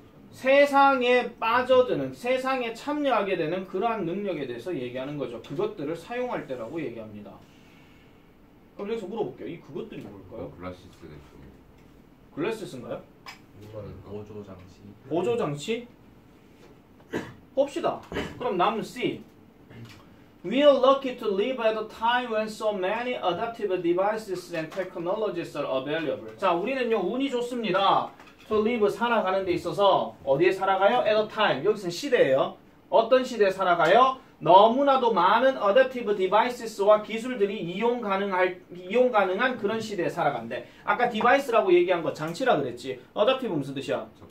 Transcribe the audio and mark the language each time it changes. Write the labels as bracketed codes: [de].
[ko] 세상에 빠져드는, 세상에 참여하게 되는 그러한 능력에 대해서 얘기하는 거죠. 그것들을 사용할 때라고 얘기합니다. 그럼 여기서 물어볼게요. 이 그것들이 뭘까요? 글라시스겠죠. 글라시스인가요? 이거는 보조장치. 보조장치? 봅시다. 그럼 남은 C. [en] We are lucky to live at a time when so many adaptive devices and technologies are available. [ko] 자, 우리는요 운이 좋습니다. [en] To live [ko] 살아가는 데 있어서 어디에 살아가요? [en] At a time. [ko] 여기서는 시대예요. 어떤 시대에 살아가요? 너무나도 많은 adaptive devices와 기술들이 이용 가능한 그런 시대에 살아간대. 아까 device라고 얘기한 거 장치라 그랬지. adaptive 무슨 뜻이야?